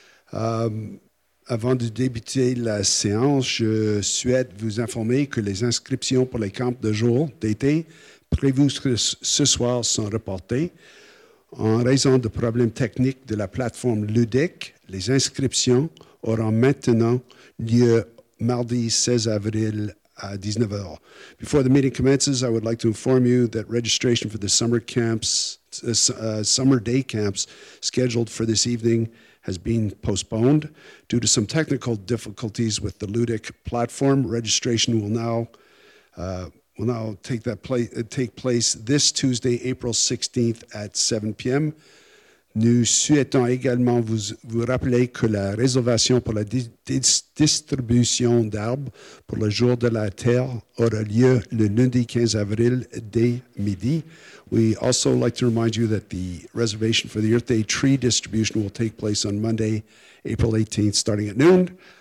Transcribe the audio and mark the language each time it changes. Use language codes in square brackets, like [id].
[fr] Avant de débuter la séance, je souhaite vous informer que les inscriptions pour les camps de jour d'été prévues ce soir sont reportées. En raison de problèmes techniques de la plateforme LUDEC, les inscriptions auront maintenant lieu mardi 16 avril. [en] Before the meeting commences, I would like to inform you that registration for the summer day camps scheduled for this evening has been postponed. Due to some technical difficulties with the LUDEC platform, registration will now take place this Tuesday, April 16th at 7 p.m. [fr] Nous souhaitons également vous rappeler que la réservation pour la distribution d'arbres pour le jour de la terre aura lieu le lundi 15 avril dès midi. [en] We also like to remind you that the reservation for the Earth Day tree distribution will take place on Monday, April 18th, starting at noon.